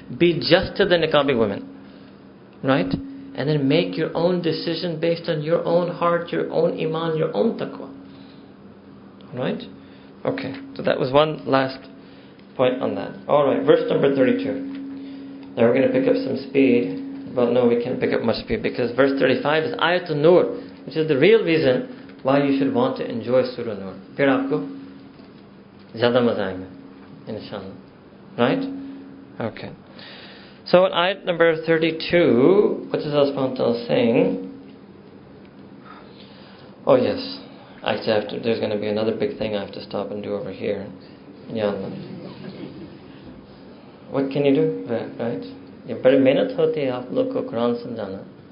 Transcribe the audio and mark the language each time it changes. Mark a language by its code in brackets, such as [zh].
[en] Be just to the niqabi woman. Right? And then make your own decision based on your own heart, your own iman, your own taqwa. Right? Okay. So that was one last point on that. Alright, verse number 32. Now we're going to pick up some speed. Well, no, we can't pick up much speed because verse 35 is Ayatul Nur, which is the real reason why you should want to enjoy Surah Nur. [ur] پھر آپ کو زیادہ مزہ آئے گا، ان شاء اللہ. [en] Right? Okay. So in ayat number 32, what does the Spontal saying? Oh yes, there's going to be another big thing I have to stop and do over here. Yeah. What can you do? Right? You better [ur] محنت ہوتی ہے آپ لوگ کو قرآن سمجھانا.